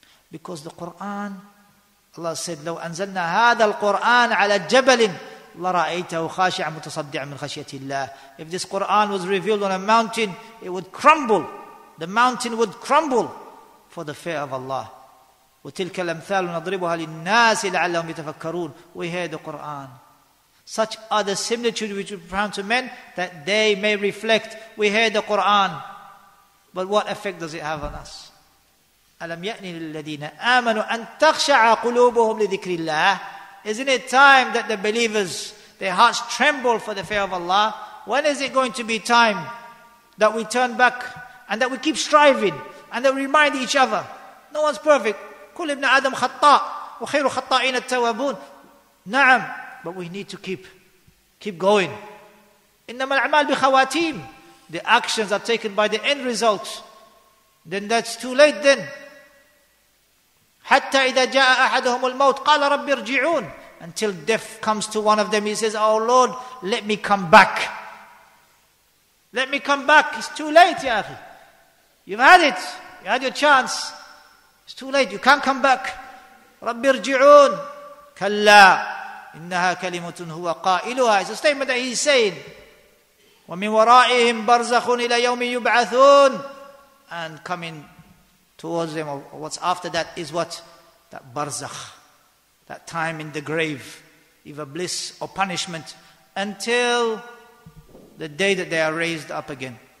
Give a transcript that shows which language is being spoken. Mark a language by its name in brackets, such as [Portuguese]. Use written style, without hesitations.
[English] Because the Quran, Allah said, [Arabic] لو أنزلنا هذا القرآن على جبل لرأيته خاشعا متصدعا من خشية الله. [English] If this Quran was revealed on a mountain, it would crumble. The mountain would crumble for the fear of Allah. [Arabic] وتلك الأمثال نضربها للناس لعلهم يتفكرون. [English] We hear the Quran. Such are the similitudes which we propound to men that they may reflect. We hear the Quran. But what effect does it have on us? [Arabic] أَلَمْ يَأْنِ لِلَّذِينَ آمَنُوا أَن تَخْشَعَ قُلُوبُهُمْ لِذِكْرِ اللَّهِ [English] Isn't it time that the believers, their hearts tremble for the fear of Allah? When is it going to be time that we turn back and that we keep striving and that we remind each other? No one's perfect. [Arabic] كُلْ إِبْنَ آدَمْ خَطَّاءُ وَخَيْرُ خَطَّائِينَ التَّوَابُونَ نَعَمْ [English] But we need to keep going. [Arabic] إِنَّمَا الْعَمَالُ بِخَوَاتِيمُ [English] The actions are taken by the end results. Then that's too late then. [Arabic] حَتَّى إِذَا جَاءَ أَحَدُهُمُ الْمَوْتِ قَالَ رَبِّ ارْجِعُونَ [English] Until death comes to one of them, he says, Oh Lord, let me come back. Let me come back. It's too late, ya akhi. You've had it. You had your chance. It's too late. You can't come back. [Arabic] رَبِّ ارْجِعُونَ كَلَّا إِنَّهَا كَلِمَةٌ هُوَ قَائِلُهَا [English] It's a statement that he's saying. [Arabic] وَمِن وَرَائِهِمْ بَرْزَخٌ إِلَى يَوْمِ يُبْعَثُونَ [English] And coming towards them, what's after that is what? That barzakh, that time in the grave, either bliss or punishment, until the day that they are raised up again.